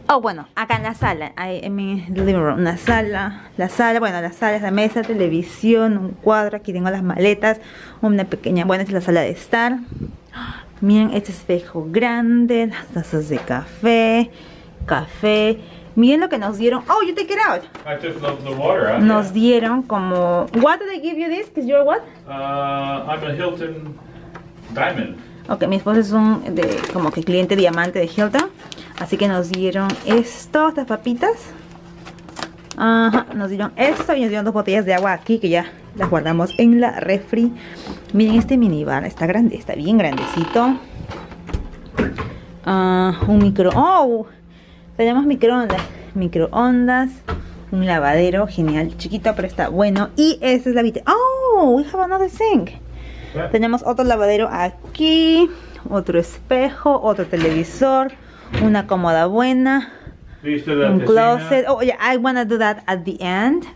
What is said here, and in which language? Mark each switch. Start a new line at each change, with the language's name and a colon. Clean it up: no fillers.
Spanish: Oh, bueno, acá en la sala, en mi
English: living room,
Spanish: una sala, la sala es la mesa, televisión, un cuadro, aquí tengo las maletas, una pequeña, bueno, es la sala de estar. Miren este espejo grande, las tazas de café, miren lo que nos dieron.
English: Oh, you take it out. I just love the water.
Spanish: Nos dieron como,
English: what did they give you this? Because you're what? I'm a Hilton diamond.
Spanish: Ok, mi esposo es un de, como que cliente diamante de Hilton. Así que nos dieron esto, estas papitas. Ajá, nos dieron esto y nos dieron dos botellas de agua aquí que ya las guardamos en la refri. Miren este minibar, está grande, está bien grandecito. Un tenemos microondas, un lavadero, genial, chiquito pero está bueno. Y esta es la
English: we have another sink.
Spanish: Tenemos otro lavadero aquí, otro espejo, otro televisor, una cómoda buena, un closet.
English: Oh, yeah, I wanna do that at the end.